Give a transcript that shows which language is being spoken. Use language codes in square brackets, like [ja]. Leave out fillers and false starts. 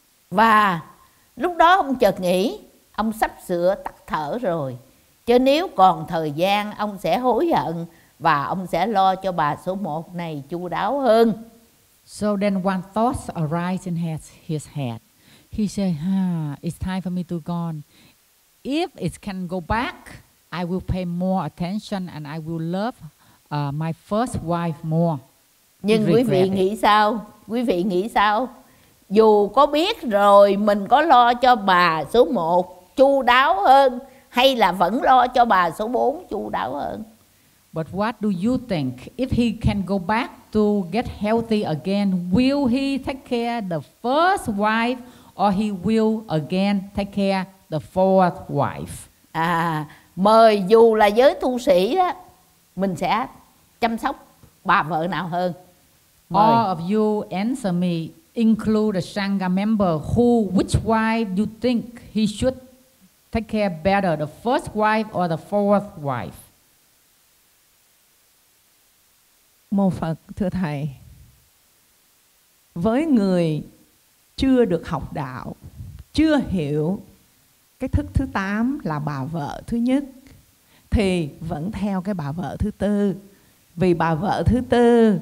[vi] Và lúc đó ông chợt nghĩ, ông sắp sửa tắt thở rồi. Chứ nếu còn thời gian, ông sẽ hối hận và ông sẽ lo cho bà số 1 này chu đáo hơn. [en] So then one thought arises in his head. He said, it's time for me to go on. If it can go back, I will pay more attention and I will love my first wife more. [vi] Nhưng quý vị nghĩ sao? Quý vị nghĩ sao? Dù có biết rồi mình có lo cho bà số 1 chu đáo hơn hay là vẫn lo cho bà số 4 chu đáo hơn? [en] But what do you think? If he can go back to get healthy again, will he take care the first wife or he will again take care the fourth wife? [vi] Mời dù là giới tu sĩ á, mình sẽ chăm sóc bà vợ nào hơn? Mời. [en] All of you answer me. Include a Sangha member who, which wife you think he should take care better, the first wife or the fourth wife? [vi] Mô Phật, thưa Thầy, với người chưa được học đạo, chưa hiểu cái thức thứ 8 là bà vợ thứ nhất, thì vẫn theo cái bà vợ thứ tư, vì bà vợ thứ tư